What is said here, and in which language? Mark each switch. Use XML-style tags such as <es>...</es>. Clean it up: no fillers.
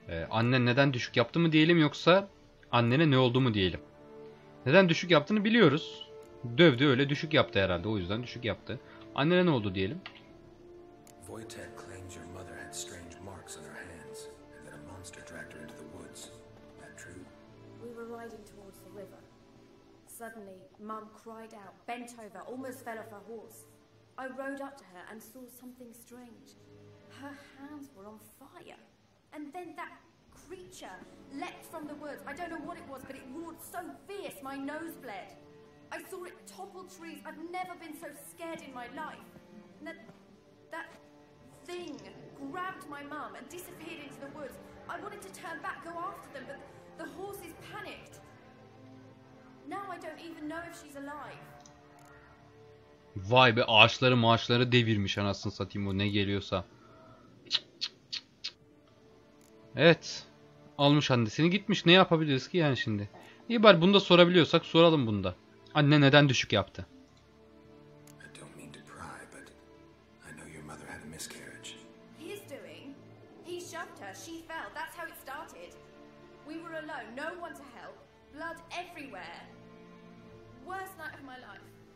<tr>Annen neden düşük yaptı mı diyelim yoksa annene ne oldu mu diyelim. Neden düşük yaptığını biliyoruz. Dövdü öyle düşük yaptı herhalde o yüzden düşük yaptı. Annene ne oldu diyelim.</tr> <en>Voytek claims your mother had strange marks on her hands and that a monster dragged her into the woods. Is that true? We were riding towards the river. Suddenly, Mum cried out, bent over, almost fell off her horse. I rode up to her and saw something strange. Her hands were on fire. And then that creature leapt from the woods. I don't know what it was, but it roared so fierce my nose bled. I saw it topple trees. I've never been so scared in my life. And that thing grabbed my mum and disappeared into the woods. I wanted to turn back, go after them, but the horses panicked. Now I don't even know if she's alive.</en> <tr>Vay be, ağaçları maaşları devirmiş anasını satayım o ne geliyorsa. Evet. Almış annesini gitmiş. Ne yapabiliriz ki yani şimdi? İyi bari bunu da sorabiliyorsak soralım bunu da. Anne neden düşük yaptı?</tr> <en>I don't mean to pry, but I know your mother had a miscarriage. He's doing. He shoved her. She fell. That's how it started. We were alone. No one to help. Blood everywhere. Worst night of my life.</en>